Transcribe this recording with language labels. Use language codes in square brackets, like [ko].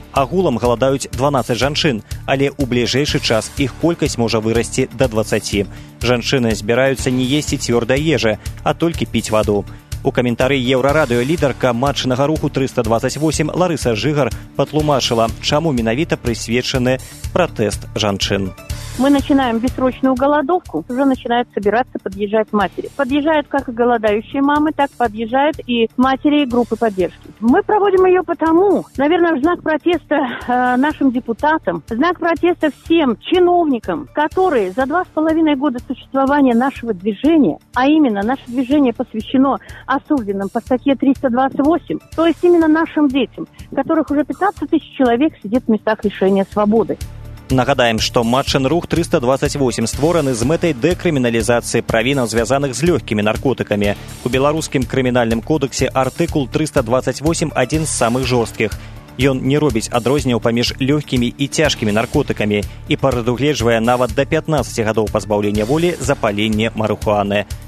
[be] Агулам галадаюць 12 жанчын, але ў бліжэйшы час іх колькасць можа вырасці да 20. Жанчыны збіраюцца не есці цвёрдай ежы, а толькі піць ваду. У каментары Еўрарадыё лідарка матчынага руху 328 Ларыса Жыгар патлумачыла, чаму менавіта прысвечаны пратэст жанчын. [ru] Мы начинаем бессрочную голодовку, уже начинают собираться, подъезжать матери. Подъезжают как голодающие мамы, так подъезжают и матери группы поддержки. Мы проводим ее потому, наверное, в знак протеста нашим депутатам, в знак протеста всем чиновникам, которые за 2,5 года существования нашего движения, а именно наше движение посвящено осужденным по статье 328, то есть именно нашим детям, которых уже 15 тысяч человек сидит в местах лишения свободы. [be] Нагадаем, что матчын рух 328 створаны з мэтай дэкрыміналізацыі правінаў, звязаных з лёгкімі наркотыкамі. У беларускім крымінальным кодэксе артыкул 328 адзін з самых жорсткіх. Ён не робіць адрозненняў паміж лёгкімі і цяжкімі наркотыкамі і прадугледжвае нават да 15 гадоў пазбаўлення волі за паленне марыхуаны.